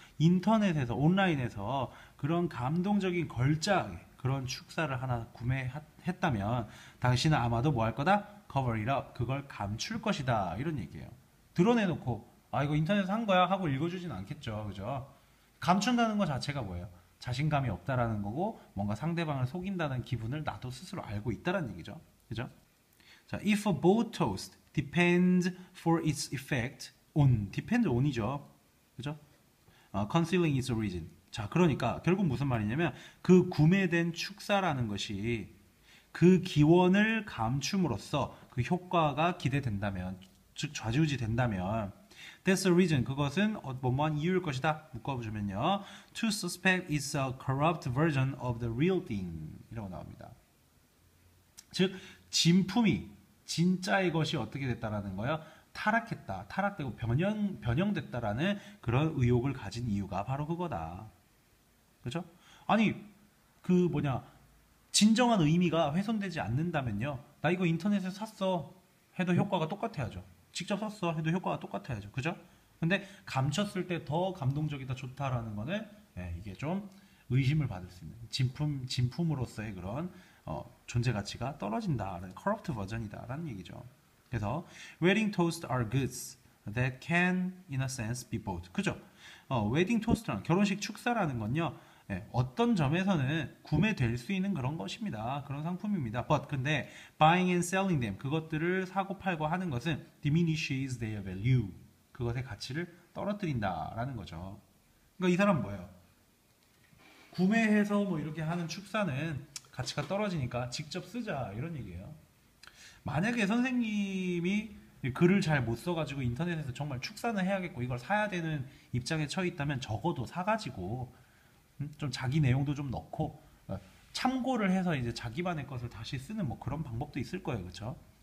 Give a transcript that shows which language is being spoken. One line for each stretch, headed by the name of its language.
Korean: 인터넷에서, 온라인에서 그런 감동적인 걸작의 그런 축사를 하나 구매했다면 당신은 아마도 뭐 할 거다? Cover it up, 그걸 감출 것이다, 이런 얘기예요. 드러내놓고 아 이거 인터넷에서 한 거야 하고 읽어주진 않겠죠, 그죠? 감춘다는 것 자체가 뭐예요? 자신감이 없다라는 거고, 뭔가 상대방을 속인다는 기분을 나도 스스로 알고 있다라는 얘기죠, 그죠?
English: 자, if a boat toast depends for its effect on, depend on이죠, 그죠? Concealing its origin.
Korean: 자, 그러니까 결국 무슨 말이냐면 그 구매된 축사라는 것이 그 기원을 감춤으로써 그 효과가 기대된다면, 즉 좌지우지 된다면,
English: that's the reason,
Korean: 그것은 뭐뭐한 이유일 것이다, 묶어보자면요,
English: to suspect it's a corrupt version of the real thing
Korean: 이라고 나옵니다. 즉 진품이 진짜의 것이 어떻게 됐다라는 거예요? 타락했다, 타락되고 변형됐다라는 그런 의혹을 가진 이유가 바로 그거다. 그렇죠? 아니, 그 뭐냐, 진정한 의미가 훼손되지 않는다면요. 나 이거 인터넷에 샀어 해도 효과가 똑같아야죠. 직접 샀어 해도 효과가 똑같아야죠. 그죠? 근데 감췄을 때더 감동적이다, 좋다라는 거는, 예, 이게 좀 의심을 받을 수 있는 진품으로서의 그런 존재 가치가 떨어진다라는 커럽트 버전이다라는 얘기죠.
English: 그래서 웨딩 토스트 are goods that can in a sense be bought.
Korean: 그죠? 웨딩 토스트랑 결혼식 축사라는 건요. 예, 어떤 점에서는 구매될 수 있는 그런 것입니다. 그런 상품입니다.
English: But 근데 buying and selling them
Korean: 그것들을 사고 팔고 하는 것은
English: diminishes their value.
Korean: 그것의 가치를 떨어뜨린다라는 거죠. 그러니까 이 사람 뭐예요? 구매해서 뭐 이렇게 하는 축사는 가치가 떨어지니까 직접 쓰자 이런 얘기예요. 만약에 선생님이 글을 잘못 써가지고 인터넷에서 정말 축사는 해야겠고 이걸 사야 되는 입장에 처해 있다면 적어도 사가지고 좀 자기 내용도 좀 넣고 참고를 해서 이제 자기만의 것을 다시 쓰는 뭐 그런 방법도 있을 거예요, 그렇죠?